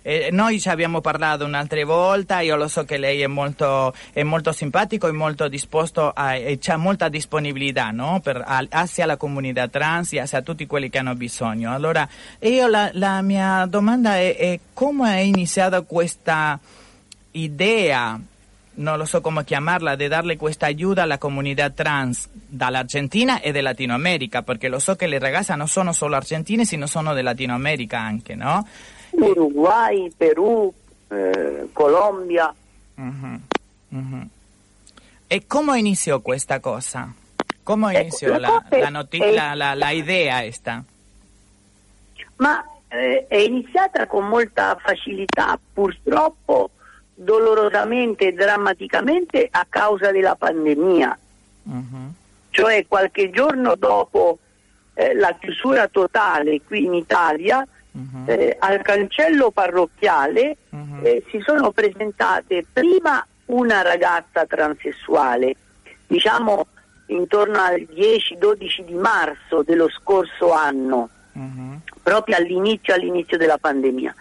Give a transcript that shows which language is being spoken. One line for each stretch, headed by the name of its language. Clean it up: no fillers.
Italian: Noi ci abbiamo parlato un'altra volta, io lo so che lei è molto simpatico e molto disposto, c'ha molta disponibilità,
Spanish: no, hacia
Italian: la comunità trans e hacia tutti quelli che hanno bisogno. Allora, io la mia domanda è come è iniziata questa idea no lo so
Spanish: cómo llamarla, de darle esta ayuda a la comunidad trans de la Argentina y de Latinoamérica, porque lo so que le regaza no son solo argentinos, sino son de Latinoamérica, aunque, ¿no? Uruguay, Perú, Colombia. ¿Y cómo inició esta cosa? ¿Cómo inició la idea esta?
Italian: Ma è iniziata con molta facilità, purtroppo, dolorosamente, drammaticamente, a causa della pandemia. Cioè qualche giorno dopo la chiusura totale qui in Italia, al cancello parrocchiale si sono presentate prima una ragazza transessuale, diciamo intorno al 10-12 di marzo dello scorso anno, proprio all'inizio della pandemia.